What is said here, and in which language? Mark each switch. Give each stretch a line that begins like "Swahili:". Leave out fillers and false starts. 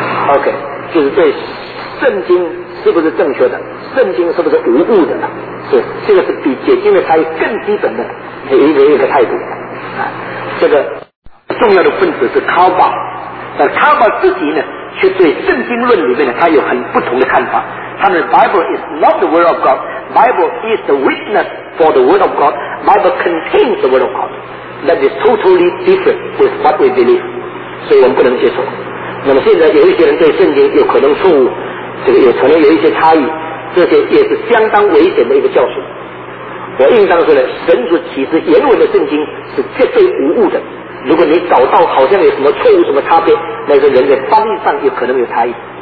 Chinese: OK， 就是对圣经是不是正确的，圣经是不是无误的呢？是，这个是比解经的差异更基本的一个态度。这个重要的分子是卡巴，但卡巴自己呢，却对圣经论里面呢，他有很不同的看法。他们
English: Bible is not the word of God， Bible is the witness for the word of God， Bible contains the word of God， that is totally different with what we believe，
Chinese: 所以我们不能接受。那么现在有一些人对圣经有可能错误，这个也可能有一些差异，这些也是相当危险的一个教训。我应当说呢，神所启示原文的圣经是绝对无误的，如果你找到好像有什么错误什么差别，那个人在翻译上也可能有差异。